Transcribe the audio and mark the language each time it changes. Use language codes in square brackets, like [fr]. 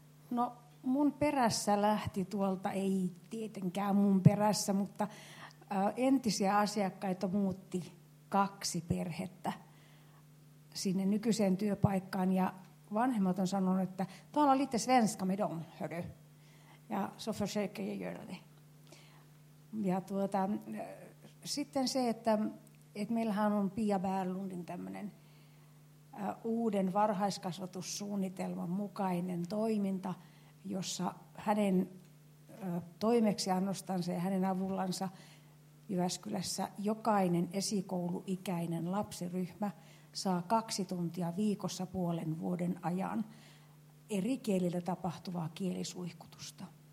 [fi] No mun perässä lähti tuolta, ei tietenkään mun perässä, mutta entisiä asiakkaita muutti 2 perhettä sinne nykyiseen työpaikkaan. Ja vanhemmat on sanonut, että tuolla on [sv] lite svenska med dem, hörru. Ja så försöker jag göra det. [fi] Ja sitten se, että meillähän on Pia Bärlundin tämmöinen uuden varhaiskasvatussuunnitelman mukainen toiminta, jossa hänen toimeksiannostansa ja hänen avullansa Jyväskylässä jokainen esikouluikäinen lapsiryhmä saa 2 tuntia viikossa 1,5 vuoden ajan eri kielillä tapahtuvaa kielisuihkutusta.